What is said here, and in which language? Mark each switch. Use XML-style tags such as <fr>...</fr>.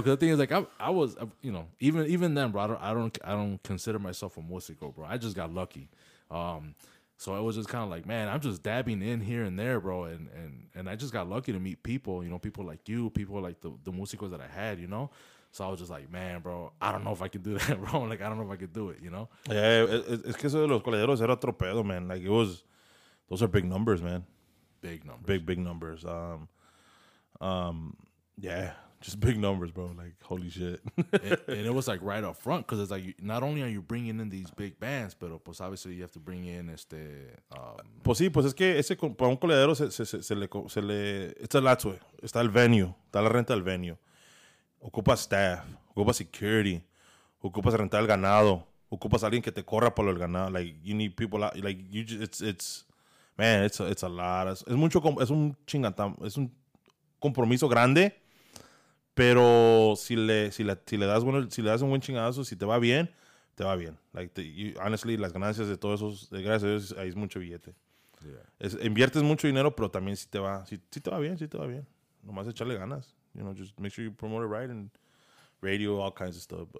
<en>Because the thing is, like, I was, you know, even then, bro. I don't consider myself a músico, bro. I just got lucky. So I was just kind of like, man, I'm just dabbing in here and there, bro. And I just got lucky to meet people, you know, people like you, people like the músicos that I had, you know. So I was just like, man, bro, I don't know if I can do that, bro. Like, I don't know if I can do it, you know.</en> <es>Yeah, es que eso de los coladeros era otro pedo, man.</es> <en>Like, it was, those are big numbers, man. Big numbers. Big numbers. Yeah, just big numbers, bro. Like, holy shit. and it was, like, right up front, because it's, like, not only are you bringing in these big bands,</en> <es>pero, pues,</es> <en>obviously, you have to bring in</en> <es>este... Pues, sí, pues, es que ese, para un coladero, se le...</es> <en>It's a lot to it.</en> <es>Está el venue. Está la renta del venue. Ocupa staff. Ocupa security. Ocupa rentar el ganado. Ocupas alguien que te corra por el ganado.</es> <en>Like, you need people out. Like, you just, it's, man, it's a lot.</en> <es>Es mucho, es un chingatam, es un compromiso grande. Pero si le das un buen chingazo, si te va bien, te va bien.</es> <en>Like, you, honestly,</en> <es>las ganancias de todos esos, gracias a Dios, ahí es mucho billete.</es> <en>Yeah.</en> <es>Inviertes mucho dinero, pero también si te va bien. Nomás echarle ganas.</es> <en>You know, just make sure you promote it right and radio, all kinds of stuff.</en>